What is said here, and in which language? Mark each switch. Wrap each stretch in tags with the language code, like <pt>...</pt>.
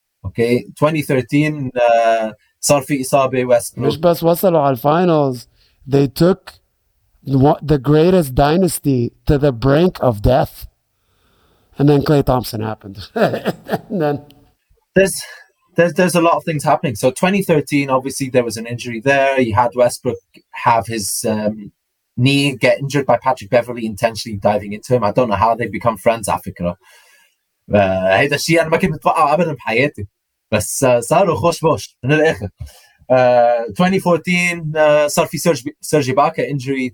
<ar>Okay, 2013 صار في إصابة Westbrook. مش بس وصلوا على finals,</ar> <en>they took the greatest dynasty to the brink of death. And then Klay Thompson happened. And then there's a lot of things happening. So 2013, obviously there was an injury there. You had Westbrook have his knee get injured by Patrick Beverley intentionally diving into him. I don't know how they become friends after.</en> <ar>هاي ده شيء أنا ما كنت متوقعه أبداً بحياتي. بس صاروا خوش بوش من الآخر. 2014 صار في سيرجي باكا injury.</ar>